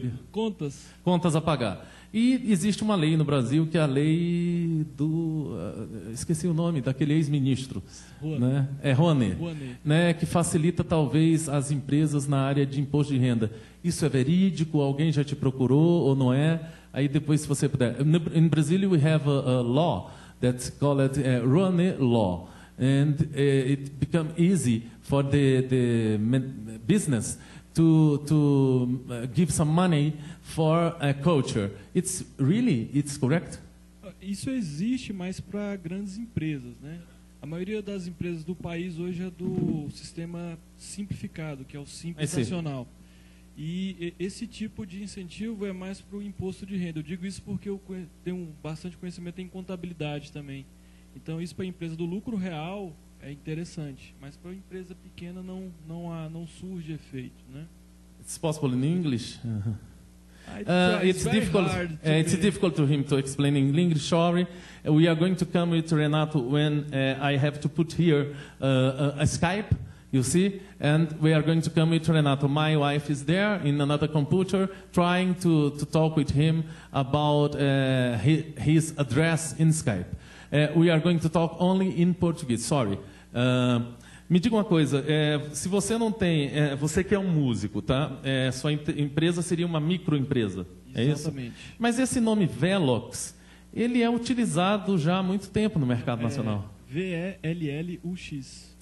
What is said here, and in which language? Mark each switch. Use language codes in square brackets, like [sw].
[pt] Contas. Contas a pagar. E existe uma lei no Brasil que é a lei do... esqueci o nome, daquele ex-ministro. Rouanet. Né? É Rouanet. Né? Que facilita talvez as empresas na área de imposto de renda. Isso é verídico? Alguém já te procurou ou não é? Aí depois, se você puder... [en] In Brazil, we have a law that's called Rouanet Law. And it become easy for the business to give some money for a culture. It's really, it's correct? [pt] Isso existe, mas para grandes empresas, né? A maioria das empresas do país hoje é do sistema simplificado, que é o Simples Nacional. E esse tipo de incentivo é mais para o imposto de renda. Eu digo isso porque eu tenho bastante conhecimento em contabilidade também. Então, isso para a empresa do lucro real é interessante, mas para a empresa pequena não surge efeito, né? [en] It's possible in English? It's difficult. It's difficult to him to explain in English. Sorry, we are going to come with Renato when I have to put here a Skype. You see, and we are going to come with Renato. My wife is there in another computer, trying to talk with him about his address in Skype. We are going to talk only in Portuguese. Sorry. [pt] Me diga uma coisa, se você não tem, você que é um músico, tá? Sua empresa seria uma microempresa, exatamente. É isso? Mas esse nome Velox, ele é utilizado já há muito tempo no mercado nacional. V-E-L-L-U-X.